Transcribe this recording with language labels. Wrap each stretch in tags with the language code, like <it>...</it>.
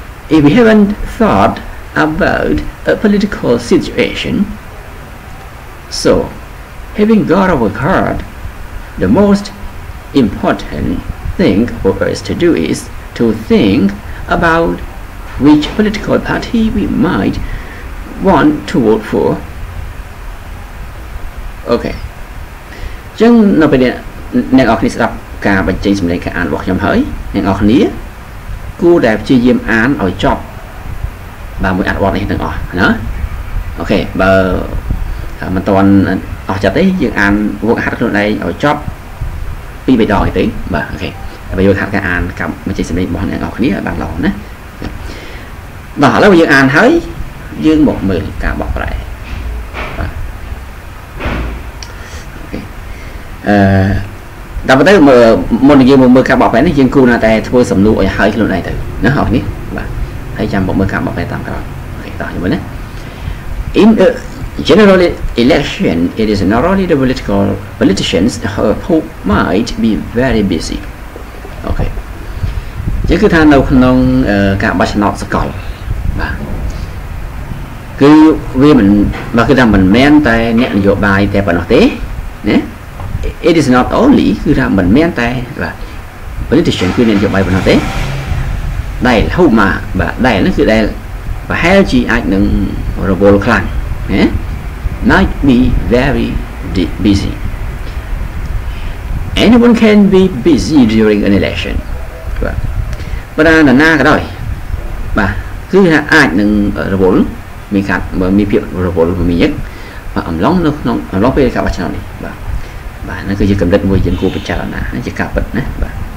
<en>If we haven't thought about a political situation, so having got our card, the most important thing for us to do is to think about which political party we might want to vote for. Okay.</en> <th>จึงนับเป็น</th> <km>អ្នកអរគនេះស្ដាប់ការបញ្ចេញសម្លេងការអានរបស់ខ្ញុំហើយអ្នកអរគនេះគួរតែព្យាយាមអានឲ្យចប់បាទមួយអត្ថបទនេះទាំងអស់ណាអូខេបើមិនទាន់អស់ចិត្តទេយើងអានវគ្គហាត់ខ្លួនឯងឲ្យចប់ពីរបីដងទេបាទអូខេហើយយកហាត់ការអានកម្មបញ្ចេញសម្លេងរបស់អ្នកអរគនេះឲ្យបានល្អណាបាទឥឡូវយើងអានហើយយើងមកមើលការបកប្រែ តាមតើមុននិយាយមកមើលការបកប្រែនេះយើងគូណាតែធ្វើសំណួរឲ្យហើយខ្លួនឯងទៅណាអរគនេះបាទហើយចាំមកមើលការបកប្រែតាមក្រោយអូខេតោះជាមួយណា</km> <en>In a general election it is not only the politicians who might be very busy</en> <km>អូខេនិយាយគឺថានៅក្នុងការបោះឆ្នោតសកលបាទគឺវាមិនមកគឺថាមិនមែនតែអ្នកនយោបាយតែប៉ុណ្ណោះទេណា</km> <en>It is not only</en> <km>គឺថាមិនមែនតែបាទ politician គឺមាននយោបាយប៉ុណ្ណោះទេដែលហូមាបាទដែលនោះគឺដែលប្រហែលជាអាចនឹងរវល់ខ្លាំងណា</km> <en>Might be very busy Anyone can be busy during an election</en> <km>បាទបណ្ដាណាក៏ដោយបាទគឺថាអាចនឹងរវល់មានការមានភាពរវល់មានយឹកបាទអំឡុងនៅក្នុងអំឡុងពេលការបោះឆ្នោតនេះបាទបាទនេះគឺជាកម្រិតមួយយើងគួរពិចារណាជាការពិតណាបាទ</km>